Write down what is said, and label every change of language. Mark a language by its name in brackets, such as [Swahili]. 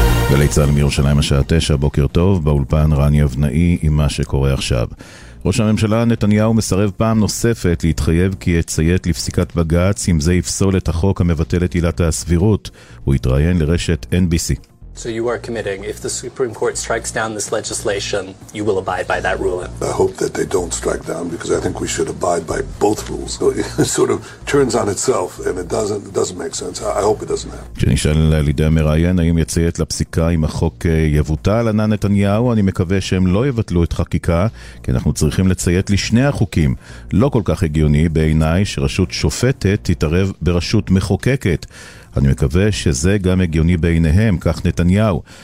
[Hebrew] וליצל מירושלים השעה 9, בוקר טוב, באולפן רני אבנאי עם מה שקורה עכשיו. ראש הממשלה נתניהו מסרב פעם נוספת להתחייב כי יציית לפסיקת בגץ אם זה יפסול את החוק המבטל את עילת הסבירות. הוא יתראיין לרשת NBC. [English] So you are committing, if the Supreme Court strikes down this legislation, you will abide by that ruling. I hope that they don't strike down, because I think we should abide by both rules. So it sort of turns on itself, and it doesn't make sense. I hope it doesn't happen. [Hebrew] כשנשאל לידי המראיין, האם יציית לפסיקה אם החוק יבוטל, ענה נתניהו, אני מקווה שהם לא יבטלו את חקיקה, כי אנחנו צריכים לציית לשני החוקים. לא כל כך הגיוני בעיניי שרשות שופטת תתערב ברשות מחוקקת. אני מקווה שזה גם הגיוני בעיניהם, כך נתניהו.